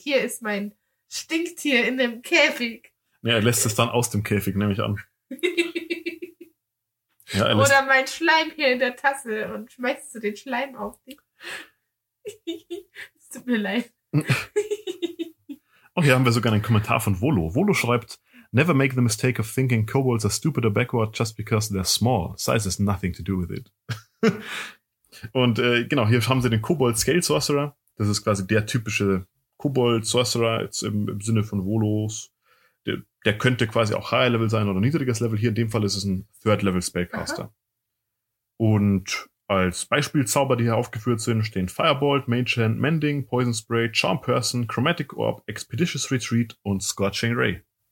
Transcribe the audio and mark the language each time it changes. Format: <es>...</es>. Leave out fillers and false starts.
<de>Hier ist mein Stinktier in dem Käfig. Ja, er lässt es dann aus dem Käfig, nehme ich an. Ja, oder mein Schleim hier in der Tasse und schmeißt du den Schleim auf dich. Es tut mir leid. Oh, hier haben wir sogar einen Kommentar von Volo. Volo schreibt,</de> <en>never make the mistake of thinking kobolds are stupid or backward just because they're small. Size has nothing to do with it.</en> <de>Und genau, hier haben sie den Kobold Scale Sorcerer. Das ist quasi der typische Kobold Sorcerer jetzt im Sinne von Volos. Der könnte quasi auch High Level sein oder niedriges Level. Hier in dem Fall ist es ein Third Level Spellcaster. Und als Beispielzauber, die hier aufgeführt sind, stehen Firebolt, Mage Hand, Mending, Poison Spray, Charm Person, Chromatic Orb, Expeditious Retreat und Scorching Ray.</de>